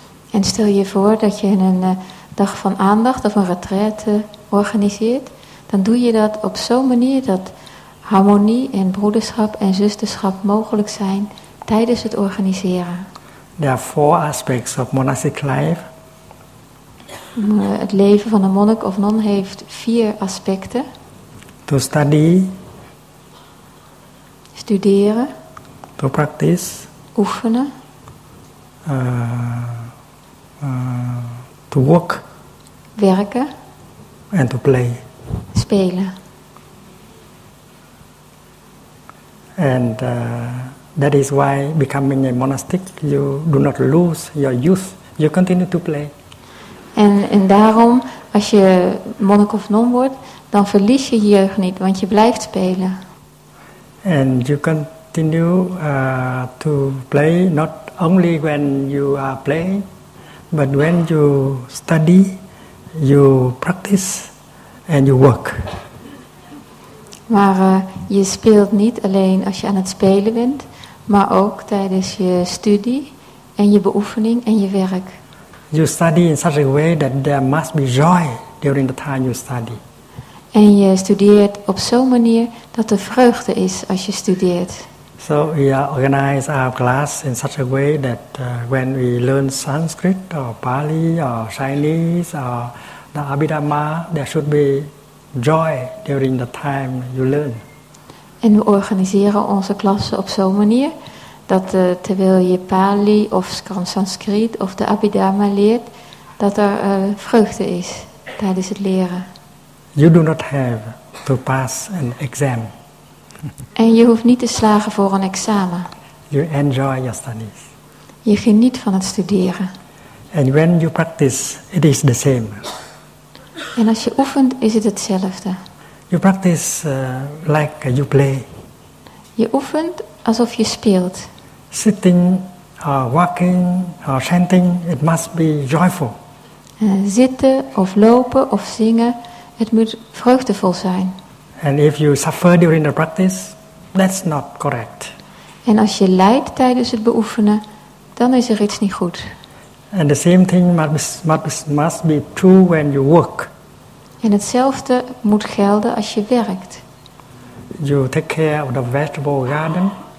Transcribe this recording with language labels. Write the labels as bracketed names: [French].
[Dutch] En stel je voor dat je een dag van aandacht of een retraite organiseert. Dan doe je dat op zo'n manier dat harmonie en broederschap en zusterschap mogelijk zijn tijdens het organiseren. [English] There are 4 aspects of monastic life. [Dutch] Het leven van een monnik of non heeft 4 aspecten. [English] To study. [Dutch] Studeren. [English] To practice. [Dutch] Oefenen. [English] To work. [Dutch] Werken. [English] And to play. [Dutch] Spelen. [English] And that is why becoming a monastic, you do not lose your youth. You continue to play. [Dutch] En daarom, als je monnik of non wordt, dan verlies je jeugd niet, want je blijft spelen. [English] And you continue to play not only when you are playing, but when you study, you practice, and you work. [Dutch] Maar je speelt niet alleen als je aan het spelen bent, maar ook tijdens je studie en je beoefening en je werk. [English] You study in such a way that there must be joy during the time you study. [Dutch] En je studeert op zo'n manier dat er vreugde is als je studeert. [English] So we organize our class in such a way that when we learn Sanskrit or Pali or Chinese or the Abhidhamma, there should be joy during the time you learn. [Dutch] En we organiseren onze klassen op zo'n manier dat terwijl je Pali of Sanskriet of de Abhidhamma leert, dat er vreugde is tijdens het leren. [English] You do not have to pass an exam. [Dutch] En je hoeft niet te slagen voor een examen. [English] You enjoy your studies. [Dutch] Je geniet van het studeren. [English] And when you practice, it is the same. [Dutch] En als je oefent, is het hetzelfde. [English] You practice like you play. [Dutch] Je oefent alsof je speelt. [English] Sitting, walking, chanting, it must be joyful. [Dutch] Zitten of lopen of zingen, het moet vreugdevol zijn. [English] And if you suffer during the practice, that's not correct. [Dutch] En als je lijdt tijdens het beoefenen, dan is er iets niet goed. [English] And the same thing must be true when you work. [Dutch] En hetzelfde moet gelden als je werkt. [English] You take care of the vegetable garden.